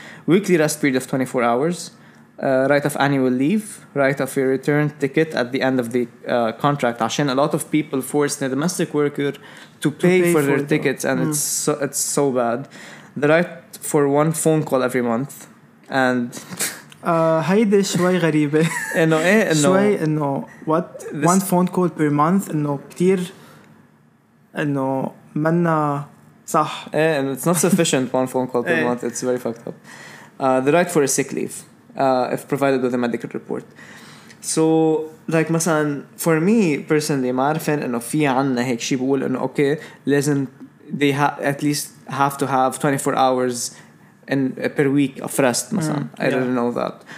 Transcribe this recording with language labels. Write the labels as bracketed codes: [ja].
[en] Weekly rest period of 24 hours. Right of annual leave, right of a return ticket at the end of the contract. [ar] عشان [en] a lot of people force their domestic worker to pay for their tickets, and it's so bad. The right for one phone call every month, and [ar] هيدي شوي غريبة. إنه [en] what one phone call per month [ar] إنه كتير إنه منا صح. إيه, [en] and it's not sufficient one phone call per month. It's very fucked up. The right for a sick leave. If provided with a medical report. So, like, [ar] مثلا, [en] for me, personally, [ar] ما عارفين انه في عنا هيك شي بقول انه, [en] okay, [ar] لازم, [en] they at least have to have 24 hours in, per week of rest, مثلا. I didn't know that.